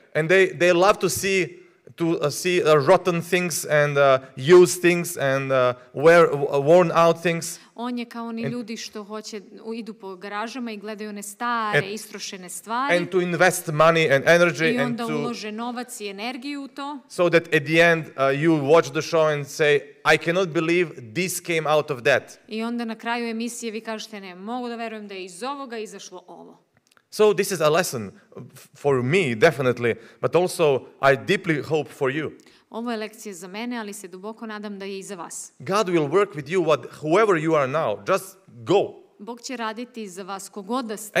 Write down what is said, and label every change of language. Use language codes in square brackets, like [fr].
[en] And they love to see rotten things and used things and wear worn out things. [sr] On je kao oni ljudi što hoće idu po garažama i gledaju one stare, istrošene stvari. [en] And to invest money and energy and to [sr] i onda ulože novac i energiju u to. [en] So that at the end you watch the show and say I cannot believe this came out of that. [sr] I onda na kraju emisije vi kažete ne mogu da verujem da je iz ovoga izašlo ovo. [en] So this is a lesson for me, definitely, but also I deeply hope for you. [sr] Ovo je lekcija za mene, ali se duboko nadam da je i za vas. [en] God will work with you whoever you are now. Just go. [sr] Bog će raditi za vas kogod da ste.